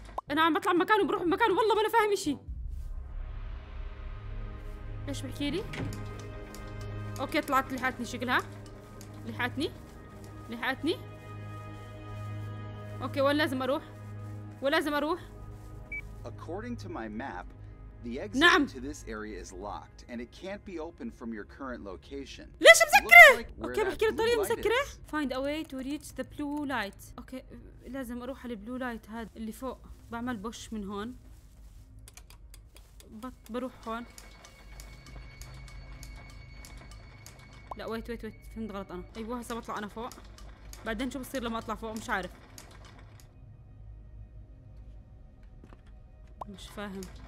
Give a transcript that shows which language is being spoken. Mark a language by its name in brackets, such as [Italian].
[Arabic] انا عم بطلع مكان وبروح مكان، والله ما انا فاهم اشي. ليش بحكي لي؟ اوكي طلعت، لحقتني شكلها، لحقتني لحقتني. اوكي وين لازم اروح؟ ولازم اروح. [English] According to my map, the exit نعم. to this area is locked and it can't be opened from your current location. [Arabic] ليش مسكرة؟ اوكي بحكي الطريق مسكرة. [English] Find a way to reach the blue light. [Arabic] اوكي لازم اروح على البلو لايت هذا اللي فوق، بعمل بوش من هون. بروح هون. لا ويت ويت ويت، فهمت غلط انا. ايوه هسه بطلع انا فوق، بعدين شو بصير لما اطلع فوق؟ مش عارف، مش فاهم.